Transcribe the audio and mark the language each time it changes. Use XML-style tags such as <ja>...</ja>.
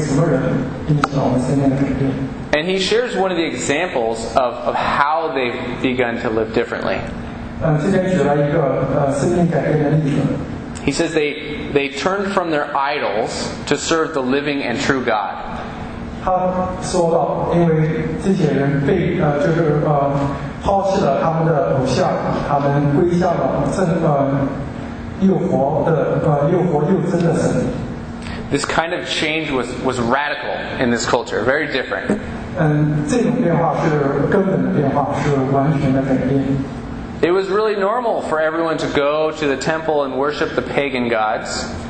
<zh>我们也可以问自己，就是我们的生命改变是因为是因为什么人影响我们生命的改变。</zh> <en>And he shares one of the examples of how they've begun to live differently.</en> <zh>这边举了一个生命改变的例子。</zh> <en>He says they turned from their idols to serve the living and true God.</en> <zh>他说到，因为这些人被就是抛弃了他们的偶像，他们归向了真的又活又真的神。</zh> <en>This kind of change was radical in this culture, very different.</en> <zh>这种变化是根本的变化，是完全的改变。</zh> <en>It was really normal for everyone to go to the temple and worship the pagan gods.</en>